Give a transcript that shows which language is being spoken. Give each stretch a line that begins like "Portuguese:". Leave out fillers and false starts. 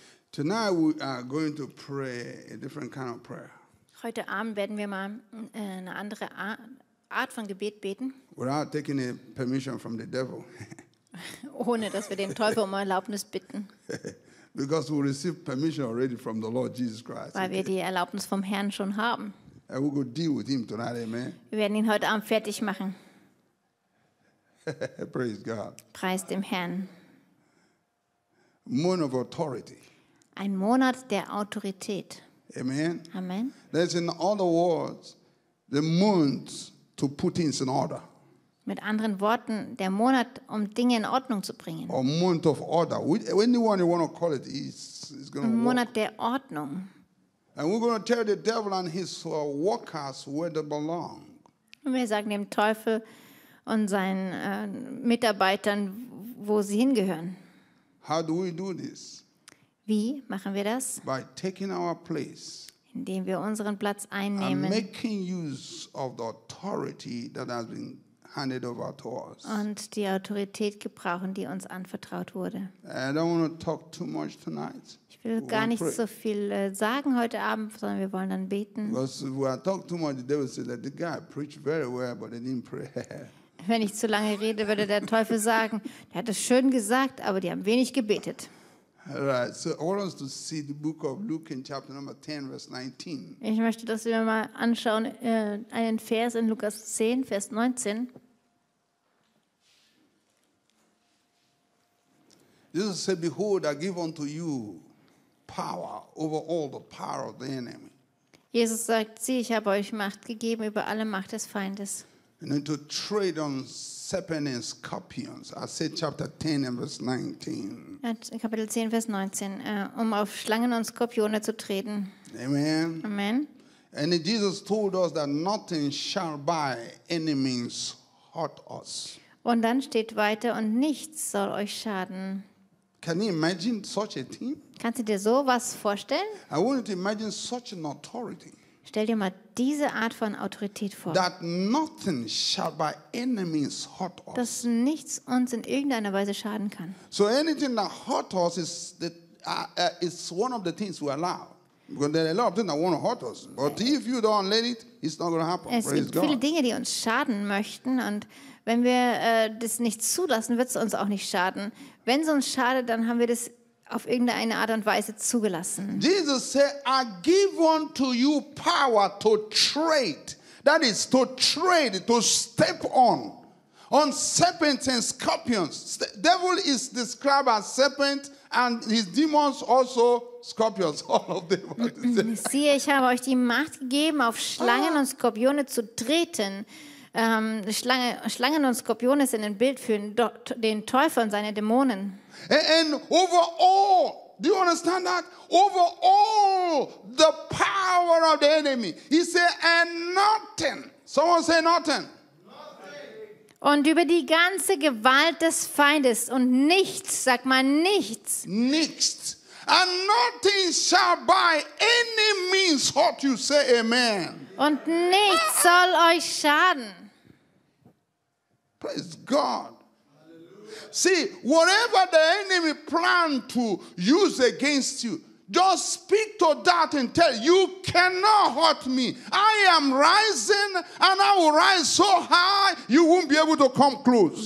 English: Tonight we are going to pray a different kind of prayer.
German: Heute Abend werden wir mal eine andere Art von Gebet beten.
English: Without taking a permission from the devil.
German: Ohne dass wir den Teufel um Erlaubnis bitten.
English: Because we receive permission already from the Lord Jesus Christ.
German: Weil wir die Erlaubnis vom Herrn schon haben.
English: And we will deal with him tonight, amen.
German: Wir werden ihn heute Abend fertig machen.
English: Praise God.
German: Preis dem Herrn.
English: Moon of authority.
German: Ein Monat der Autorität.
English: Amen.
German: Amen.
English: There's in other words the month to put things in order.
German: Mit anderen Worten, der Monat, um Dinge in Ordnung zu bringen.
English: A month of order. Anyone you want to call it is going to work.
German: Monat der Ordnung.
English: And we're going to tell the devil and his workers where they belong.
German: Und wir sagen dem Teufel und seinen Mitarbeitern, wo sie hingehören.
English: How do we do this?
German: Wie machen wir das?
English: By taking our place.
German: Indem wir unseren Platz einnehmen.
English: And making use of the authority that has been handed over to us.
German: Und die Autorität gebrauchen, die uns anvertraut wurde.
English: I don't want to talk too much tonight.
German: Ich will gar nicht so viel sagen heute Abend, sondern wir wollen dann beten.
English: Because when I talk too much, the devil says that the guy preached very well, but they didn't pray.
German: Wenn ich zu lange rede, würde der Teufel sagen, der hat es schön gesagt, aber die haben wenig gebetet.
English: Right, so I want us to see the book of Luke in chapter number 10, verse 19.
German: Ich möchte, dass wir mal anschauen, einen Vers in Lukas 10, Vers 19.
English: Jesus said, behold, I give unto you power over all the power of the enemy.
German: Jesus sagt, sieh, ich habe euch Macht gegeben über alle Macht des Feindes.
English: And then to trade on serpents and scorpions. I said chapter 10 and verse 19.
German: Kapitel 10, Vers 19. Um auf Schlangen und Skorpione zu treten.
English: Amen.
German: Amen.
English: And Jesus told us that nothing shall by any means hurt us.
German: Und dann steht weiter, und nichts soll euch schaden.
English: Can you imagine such a thing?
German: Kannst du dir sowas vorstellen?
English: I want you to imagine such an authority.
German: Stell dir mal diese Art von Autorität vor.
English: That nothing shall by any means hurt us.
German: Dass nichts uns in irgendeiner Weise schaden kann.
English: So anything that hurt us is one of the things we allow. Because there are a lot of things that want to hurt us. But if you don't let it, it's not going to happen.
German: Es gibt viele Dinge, die uns schaden möchten. Und wenn wir das nicht zulassen, wird es uns auch nicht schaden. Wenn es uns schadet, dann haben wir das auf irgendeine Art und Weise zugelassen.
English: Jesus said, I give unto you power to trade. That is to trade, to step on serpents and scorpions. Devil is described as serpent and his demons also scorpions. All of them.
German: Siehe, ich habe euch die Macht gegeben, auf Schlangen und Skorpione zu treten. Schlangen und Skorpione sind ein Bild für den Teufel und seine Dämonen.
English: And over all, do you understand that? Over all the power of the enemy. He said, and nothing. Someone say nothing.
German: Und über die ganze Gewalt des Feindes und nichts, sag mal nichts. Nichts.
English: And nothing shall by any means hurt you, say amen.
German: Und nichts soll euch schaden.
English: Praise God. See, whatever the enemy plan to use against you, just speak to that and tell you cannot hurt me. I am rising and I will rise so high you won't be able to come close.